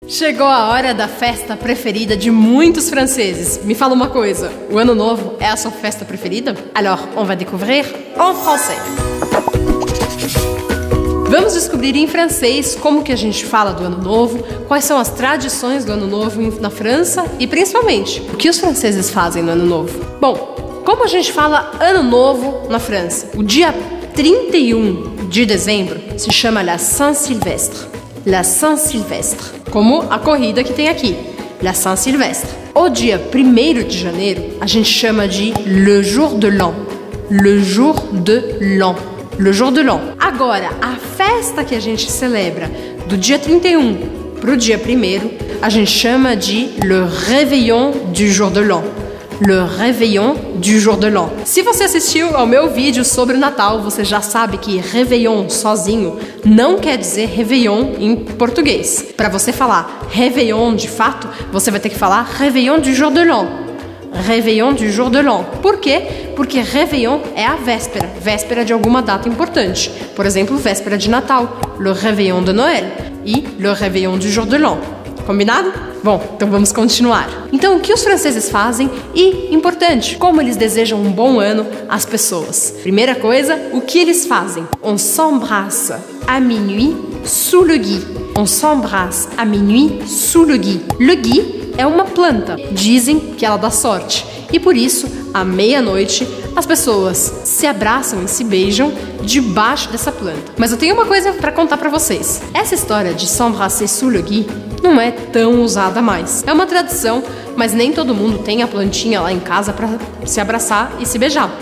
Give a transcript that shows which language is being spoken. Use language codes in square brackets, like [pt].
[pt] Chegou a hora da festa preferida de muitos franceses. Me fala uma coisa, o Ano Novo é a sua festa preferida? [fr] Alors, on va découvrir en français. [pt] Vamos descobrir em francês como que a gente fala do Ano Novo, quais são as tradições do Ano Novo na França e, principalmente, o que os franceses fazem no Ano Novo. Bom, como a gente fala Ano Novo na França? O dia 31 de dezembro se chama La Saint-Sylvestre. La Saint-Sylvestre. Como a corrida que tem aqui, La Saint-Sylvestre. O dia 1º de janeiro a gente chama de Le Jour de l'An. Le Jour de l'An. Le Jour de l'An. Agora, a festa que a gente celebra do dia 31 pro dia 1º, a gente chama de Le Réveillon du Jour de l'An. [fr] Le Réveillon du Jour de l'An. [pt] Se você assistiu ao meu vídeo sobre o Natal, você já sabe que Réveillon sozinho não quer dizer Réveillon em português. Para você falar Réveillon de fato, você vai ter que falar Réveillon du Jour de l'An. [fr] Réveillon du Jour de l'An. [pt] Por quê? Porque Réveillon é a véspera, véspera de alguma data importante. Por exemplo, véspera de Natal, Le Réveillon de Noël e Le Réveillon du Jour de l'An. Combinado? Bom, então vamos continuar. Então, o que os franceses fazem e, importante, como eles desejam um bom ano às pessoas? Primeira coisa, o que eles fazem? [fr] On s'embrasse à minuit sous le gui. On s'embrasse à minuit sous le gui. [pt] Le gui é uma planta. Dizem que ela dá sorte. E por isso, à meia-noite, as pessoas se abraçam e se beijam debaixo dessa planta. Mas eu tenho uma coisa pra contar pra vocês. Essa história de s'embrasser sous le gui não é tão usada mais. É uma tradição, mas nem todo mundo tem a plantinha lá em casa pra se abraçar e se beijar.